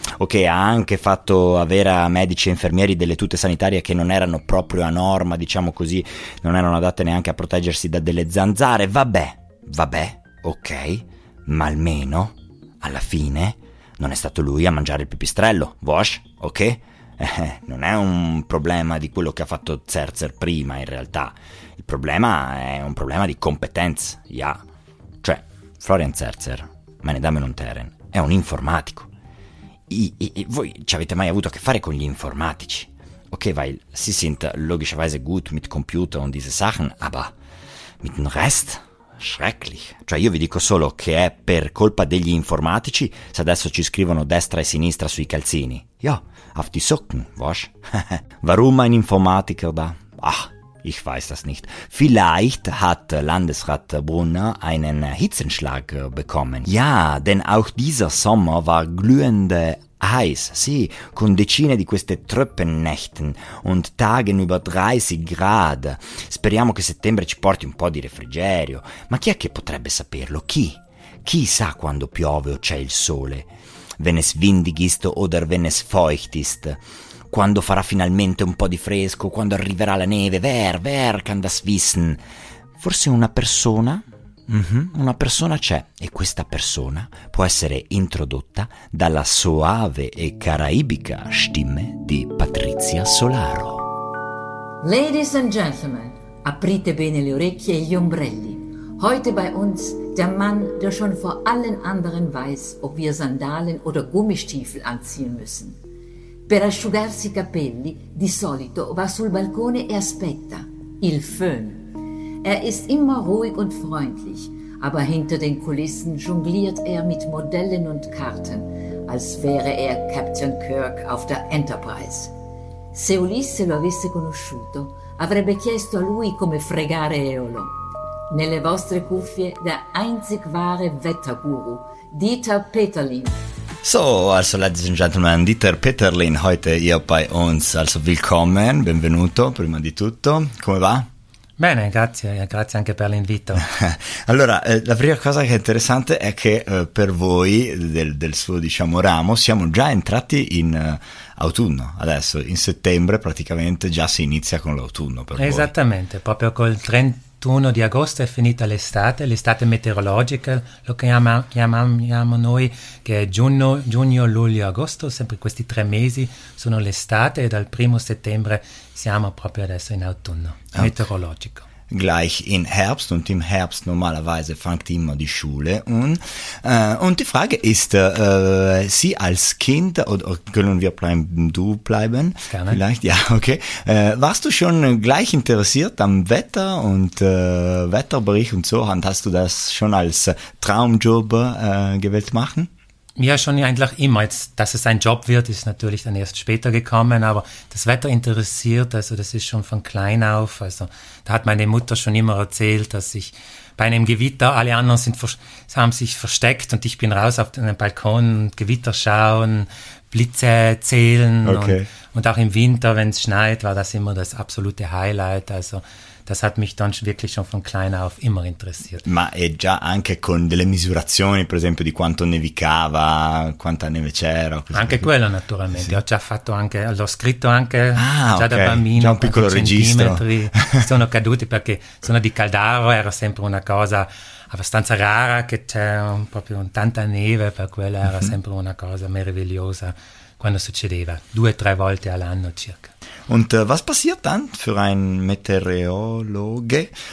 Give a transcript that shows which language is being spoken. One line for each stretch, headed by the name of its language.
Italian: Ok, ha anche fatto avere a medici e infermieri delle tute sanitarie che non erano proprio a norma, diciamo così, non erano adatte neanche a proteggersi da delle zanzare. Vabbè, ok, ma almeno, alla fine, non è stato lui a mangiare il pipistrello, Wash, ok? Non è un problema di quello che ha fatto Zerzer prima, in realtà. Il problema è un problema di competenze, ja. Cioè, Florian Zerzer,
German: meine Damen und Herren,
Italian: è un informatico. Voi ci avete mai avuto a che fare con gli informatici?
German: Ok, weil sie sind logischerweise gut mit Computer und diese Sachen, aber mit dem Rest? Schrecklich.
Italian: Cioè, io vi dico solo che è per colpa degli informatici se adesso ci scrivono destra e sinistra sui calzini.
German: Ja, auf die Socken, was? Warum ein Informatiker da? Ach, ich weiß das nicht. Vielleicht hat Landesrat Brunner einen Hitzenschlag bekommen. Ja, denn auch dieser Sommer war glühende heiß,
Italian: sì, con decine di queste
German: Tröppennächten und Tagen über 30 Grad.
Italian: Speriamo che settembre ci porti un po' di refrigerio. Ma chi è che potrebbe saperlo? Chi? Chi sa quando piove o c'è il sole?
German: Wenn es windig ist oder wenn es feucht ist.
Italian: Quando farà finalmente un po' di fresco, quando arriverà la neve,
German: wer kann das wissen?
Italian: Forse una persona? Una persona c'è, e questa persona può essere introdotta dalla soave e caraibica stimme di Patrizia Solaro.
English: Ladies and gentlemen,
Italian: aprite bene le orecchie e gli ombrelli.
German: Heute bei uns der Mann, der schon vor allen anderen weiß, ob wir Sandalen oder Gummistiefel anziehen müssen.
Italian: Per asciugarsi i capelli, di solito va sul balcone e aspetta. Il Föhn.
German: Er ist immer ruhig und freundlich, aber hinter den Kulissen jongliert er mit Modellen und Karten, als wäre er Captain Kirk auf der Enterprise.
Italian: Se Ulisse lo avesse conosciuto, avrebbe chiesto a lui come fregare Eolo. Nelle vostre cuffie,
German: der einzig wahre Wetterguru,
Italian: Dieter Peterlin.
German: So, also
English: ladies and gentlemen,
German: Dieter Peterlin, heute hier bei uns. Also willkommen,
Italian: benvenuto, prima di tutto. Come va? Bene, grazie, grazie anche per l'invito. Allora, la prima cosa che è interessante è che per voi del suo, diciamo, ramo siamo già entrati in autunno adesso, in settembre praticamente già si inizia con l'autunno per Esattamente, voi. Proprio col 31 di agosto è finita l'estate meteorologica, lo chiamiamo noi che è giugno, luglio, agosto, sempre questi tre mesi sono l'estate e dal 1 settembre siamo proprio adesso in autunno. Okay. Meteorologico.
German: Gleich in Herbst und im Herbst normalerweise fängt immer die Schule an. Und die Frage ist, Sie als Kind, oder können wir bleiben? Gerne. Vielleicht, ja, okay. Warst du schon gleich interessiert am Wetter und Wetterbericht und so? Und hast du das schon als Traumjob gewählt machen? Ja, schon eigentlich immer. Jetzt, dass es ein Job wird, ist natürlich dann erst später gekommen, aber das Wetter interessiert, also das ist schon von klein auf. Also da hat meine Mutter schon immer erzählt, dass ich bei einem Gewitter, alle anderen haben sich versteckt und ich bin raus auf den Balkon und Gewitter schauen, Blitze zählen. Okay. Und auch im Winter, wenn es schneit, war das immer das absolute Highlight. Also das hat mich dann wirklich schon von klein auf immer interessiert.
Italian: Ma è già anche con delle misurazioni, per esempio, di quanto nevicava, quanta neve c'era. Anche così. Quello, naturalmente. Sì. Ho già fatto anche, l'ho scritto anche già da bambino. Già un piccolo registro. Sono caduti perché sono di Caldaro, era sempre una cosa abbastanza rara, che c'è proprio tanta neve, per quello era sempre una cosa meravigliosa. Quando succedeva, 2-3 volte all'anno circa.
German: Und was passiert dann für ein Meteorologe?